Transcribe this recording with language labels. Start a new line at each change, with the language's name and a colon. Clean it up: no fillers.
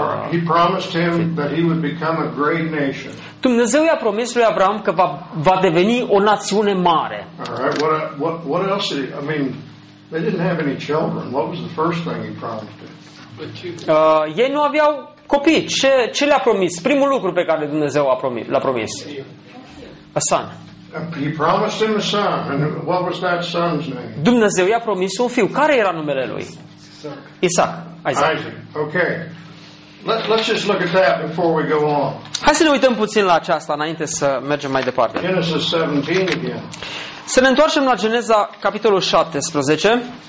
English: He promised him that he would become a great nation.
Romanian: Dumnezeu i-a promis lui Avram că va deveni o națiune mare.
English: All right. What else? They didn't have any children. What was the first thing he promised him?
Romanian: Ei nu aveau copii. Ce le-a promis? Primul lucru pe care Dumnezeu l-a promis.
English: A son. He promised him a son. And what was that son's name?
Romanian: Dumnezeu i-a promis un fiu. Care era numele lui? Isaac.
English: Isaac. Okay. Let's just look at that before we go on.
Romanian: Hai să ne uităm puțin la aceasta înainte să mergem mai departe.
English: Genesis 17 again.
Romanian: Să ne întoarcem la Geneza capitolul 17.